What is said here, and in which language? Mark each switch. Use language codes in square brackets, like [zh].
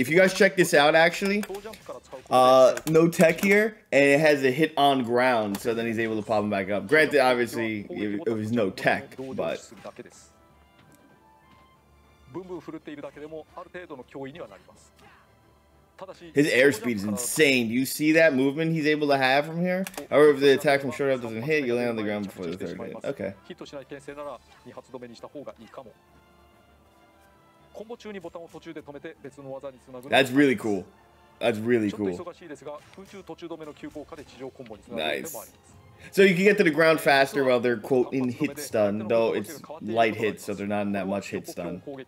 [en] If you guys check this out, actually, no tech here, and it has a hit on ground, so then he's able to pop him back up. Granted, obviously, it was no tech, but... [ja] ブンブン振るっているだけでもある程度の脅威にはなります。ただし、 [en] His air speed is insane. Do you see that movement he's able to have from here? Or if the attack from short up doesn't hit, you land on the ground before the third hit. Okay. [ja] ヒットしない牽制なら2発止めにした方がいいかも。コンボ中にボタンを途中で止めて別の技につなぐ。 [en] That's really cool. That's really cool. [ja] ちょっと忙しいですが、空中途中止めの急降下で地上コンボにつなぐ。 [en] Nice. So you can get to the ground faster while they're quote in hit stun, though it's light hit, so they're not in that much hit stun.